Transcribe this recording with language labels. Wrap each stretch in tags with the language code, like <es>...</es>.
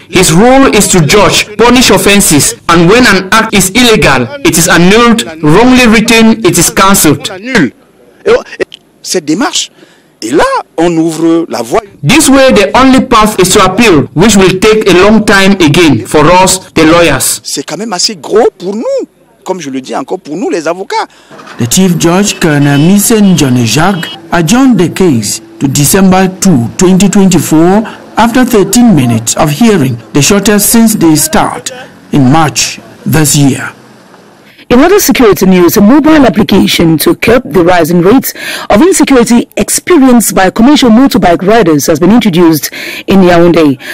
<en>His role is to judge, punish offenses, and when an act is illegal, it is annulled, wrongly written, it is cancelled. This way, the only path is to appeal, which will take a long time again for us, the lawyers.</en> <fr>C'est quand même assez gros pour nous. Comme je le dis encore pour nous les avocats.</fr> <en>The chief judge Colonel Misen Jean-Jacques adjourned the case to December 2, 2024 after 13 minutes of hearing, the shortest since the start in March this year. In other security news, a mobile application to curb the rising rates of insecurity experienced by commercial motorbike riders has been introduced in Yaoundé.</en>